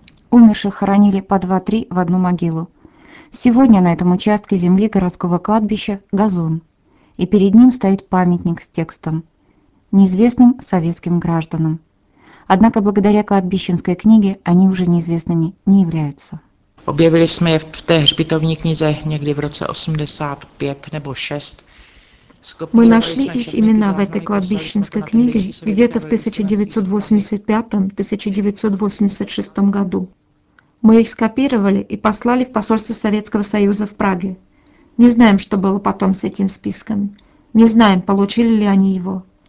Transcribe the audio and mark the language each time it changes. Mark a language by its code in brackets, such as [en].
[ru] умерших хоронили по 2-3 в одну могилу. Сегодня на этом участке земли городского кладбища газон, и перед ним стоит памятник с текстом «Неизвестным советским гражданам». Однако благодаря кладбищенской книге они уже неизвестными не являются. [cs] Objevili jsme je v té hřbitovní knize někdy v roce 85 nebo 6. [ru] Мы нашли их имена в этой кладбищенской книге где-то в 1985-1986 году. Мы их скопировали и послали в посольство Советского Союза в Праге. Не знаем, что было потом с этим списком. Не знаем, получили ли они его.